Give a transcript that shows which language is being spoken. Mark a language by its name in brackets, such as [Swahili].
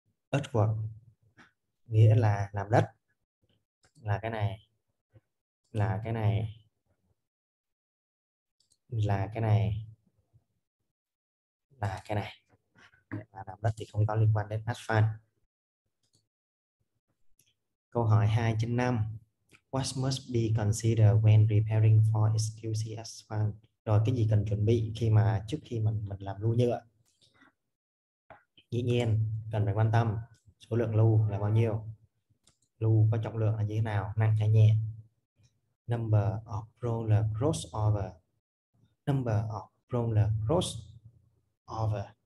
[Vietnamese] Earthwork nghĩa là làm đất, là cái này, là cái này, là cái này, là cái này. Là làm đất thì không có liên quan đến asphalt. Câu hỏi 2 trên 5. [English] What must be considered when preparing for SQC asphalt? [Vietnamese] Rồi cái gì cần chuẩn bị khi mà trước khi mình làm lưu nhựa? Nhiên cần phải quan tâm số lượng lưu là bao nhiêu. Lưu có trọng lượng là như thế nào, nặng hay nhẹ. [English] Number of roller crossover. Number of roller crossover.